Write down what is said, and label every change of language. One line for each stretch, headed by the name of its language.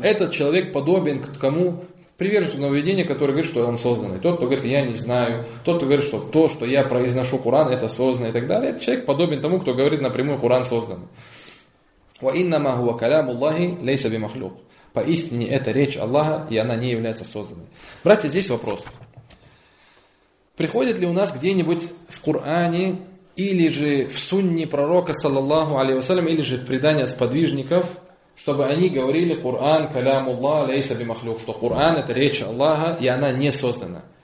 Russian: Этот человек подобен к кому? Приверженному нововведению, который говорит, что он созданный. Тот, кто говорит, я не знаю. Тот, кто говорит, что то, что я произношу Куран, это создано и так далее. Этот человек подобен тому, кто говорит напрямую, Куран создан.
Arabic: وإنما هو كلام الله ليس بمخلوق.
Russian: Поистине это речь Аллаха, и она не является созданной. Братья, здесь вопрос. Приходит ли у нас где-нибудь в Куране или же в Сунне пророка, саллаллаху алейхи вассалям, или же предание сподвижников, чтобы они говорили
Arabic: Куран калям Аллах лейса бимахлюк,
Russian: что Куран это речь Аллаха и она не создана.